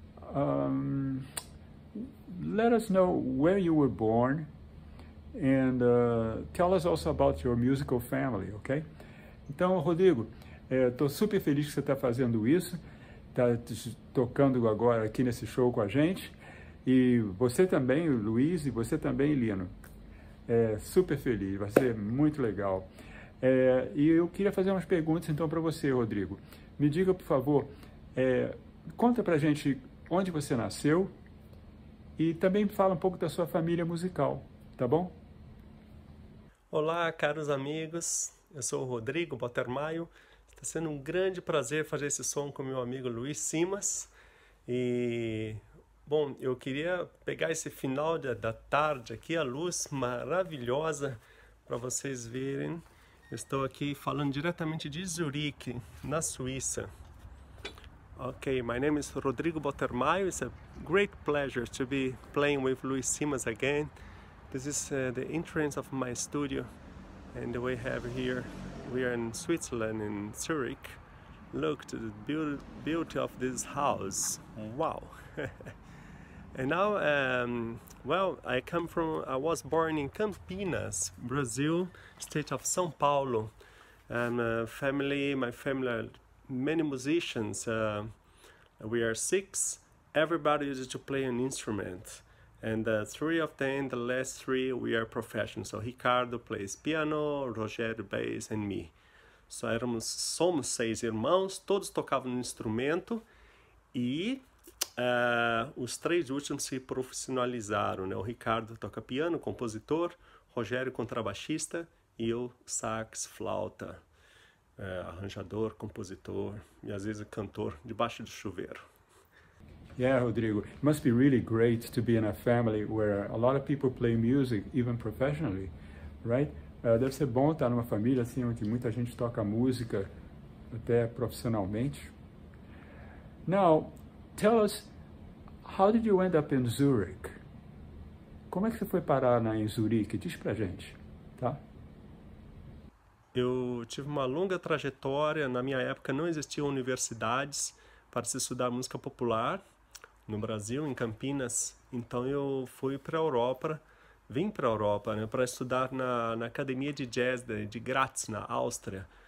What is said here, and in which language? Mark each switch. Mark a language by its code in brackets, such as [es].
[en] Let us know where you were born, and tell us also about your musical family, okay? [pt] Então, Rodrigo, tô super feliz que você está fazendo isso. Tá tocando agora aqui nesse show com a gente. E você também, Luiz, e você também, Lino. É super feliz, vai ser muito legal. E eu queria fazer umas perguntas então para você, Rodrigo. Me diga, por favor, conta pra gente onde você nasceu e também fala um pouco da sua família musical, tá bom? Olá, caros amigos. Eu sou o Rodrigo Maio. Está sendo um grande prazer fazer esse som com meu amigo Luiz Simas. E, bom, eu queria pegar esse final da tarde aqui, a luz maravilhosa, para vocês verem. Eu estou aqui falando diretamente de Zurique, na Suíça. [en] Okay, my name is Rodrigo Maio. It's a great pleasure to be playing with Luiz Simas again. This is the entrance of my studio, and we have here, we are in Switzerland, in Zurich. Look to the beauty of this house. Wow! And now, I was born in Campinas, Brazil, state of São Paulo. My family are many musicians. We are six. Everybody used to play an instrument. And three of them, the last three, we are professionals. So Ricardo plays piano, Rogério bass, and me. [pt] So somos seis irmãos, todos tocavam um instrumento e os três últimos se profissionalizaram, né? O Ricardo toca piano, compositor, Rogério contrabaixista e eu sax, flauta, arranjador, compositor e às vezes cantor debaixo do chuveiro. [en] Yeah, Rodrigo, it must be really great to be in a family where a lot of people play music, even professionally, right? [pt] Deve ser bom estar numa família assim onde muita gente toca música até profissionalmente. [en] Now, tell us, how did you end up in Zurich? [pt] Como é que você foi parar em Zurique? Diz pra gente, tá? Eu tive uma longa trajetória. Na minha época não existiam universidades para se estudar música popular no Brasil, em Campinas. Então eu fui para a Europa, vim para a Europa, né, para estudar na Academia de Jazz de Graz, na Áustria.